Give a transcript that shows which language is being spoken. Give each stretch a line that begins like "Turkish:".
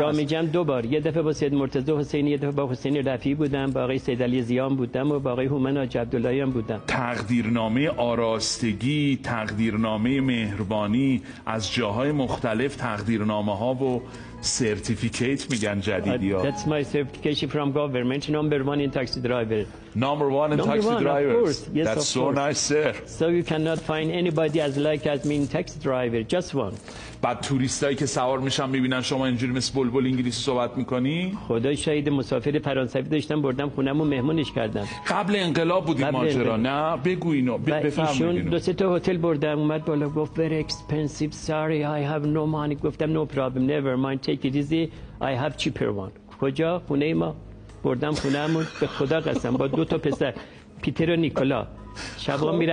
Persian: جام جم دو بار یه دفعه با سید مرتضی حسینی یه دفعه با حسین رفیعی بودم با آقای سید علی ضیا بودم و با آقای هومن حاج عبداللهی هم بودم تقدیرنامه آراستگی تقدیرنامه مهربانی از جاهای مختلف تقدیرنامه ها و سرتیفیکیت میگن جدیدی ها
English: That's my certification from government Number one in taxi driver Number one in taxi drivers yes, That's so nice sir So you cannot find anybody as like as me in taxi driver Just one
Persian: بعد توریست هایی که سوار میشن میبینن شما اینجوری مثل بلبل انگلیسی صحبت میکنی؟ خدا شاید مسافر فرانسوی داشتم بردم خونم و مهمونش کردم قبل انقلاب بودی ماجرا نه بگو اینو بفرمایید ایشون دو سه تا هتل بردم اومد بالا گفت
English: very expensive sorry I have no money
Persian: گفتم
English: no problem never mind take it easy I have cheaper one
Persian: کجا خونه ما بردم خونمون به خدا قسم با دو تا پسر پیتر و نیکولا شبا خب.